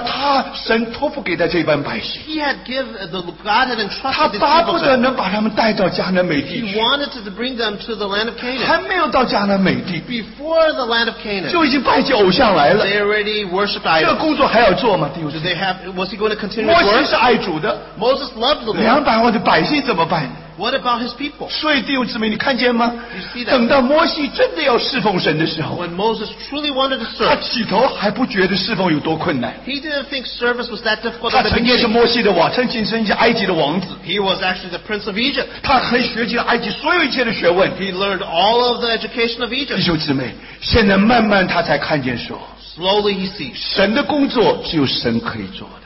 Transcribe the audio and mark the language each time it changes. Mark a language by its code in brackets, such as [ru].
[zh] 他神托付给他这一班百姓。 [en] He had given the God had entrusted to him. He wanted to bring them to the land of Canaan. [zh] 还没有到迦南美地, [en] before the land of Canaan. [zh] 就已经拜祭偶像来了。 [en] They already worshiped idols. [zh] 这个工作还要做吗? [en] Was he going to continue to work? [zh] 摩西是爱主的。 [en] Moses loved the Lord. [zh] 200万的百姓怎么办呢? [en] What about his people? [zh] 所以弟兄姊妹, 你看见吗? [en] You see that? [zh] 等到摩西真的要侍奉神的时候, [en] when Moses truly wanted to serve, [zh] 他起头还不觉得侍奉有多困难。 [en] He didn't think service was that difficult at the beginning. [zh] 他曾经是摩西的王, 曾经是埃及的王子。 [en] He was actually the prince of Egypt. [zh] 他很学习了埃及所有一切的学问。 [en] He learned all of the education of Egypt. [zh] 弟兄姊妹, 现在慢慢他才看见说, [en] slowly he sees, [zh] 神的工作只有神可以做。